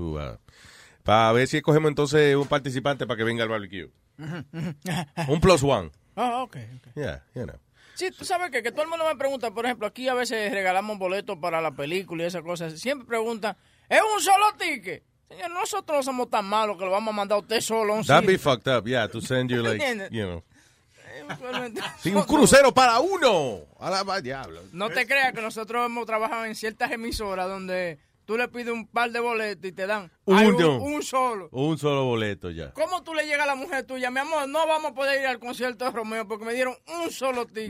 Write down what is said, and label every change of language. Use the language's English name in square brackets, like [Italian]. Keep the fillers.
[Spanish] Uh, para ver si escogemos entonces un participante para que venga al barbecue. [English] un plus one. Ah, oh, ok. okay. Yeah, you know. [Spanish] Sí, tú sabes que, todo el mundo me pregunta, por ejemplo, aquí a veces regalamos boletos para la película y esas cosas. Siempre pregunta, ¿es un solo ticket? Señor, nosotros no somos tan malos que lo vamos a mandar a usted solo. [English] Un That'd be fucked up, yeah, to send you like, you know. [Spanish] Sin un crucero para uno. No te creas que nosotros hemos trabajado en ciertas emisoras donde tú le pides un par de boletos y te dan un, un, un, solo. Un solo boleto ya. ¿Cómo tú le llegas a la mujer tuya? Mi amor, no vamos a poder ir al concierto de Romeo porque me dieron un solo ticket.